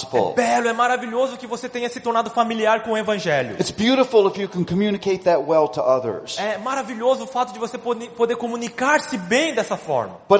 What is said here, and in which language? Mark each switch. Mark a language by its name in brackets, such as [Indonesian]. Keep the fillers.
[Portuguese] É belo, é maravilhoso que você tenha se tornado familiar com o evangelho. [English] It's beautiful if you can communicate that well to others. [Portuguese] É maravilhoso o fato de você poder comunicar-se bem dessa forma.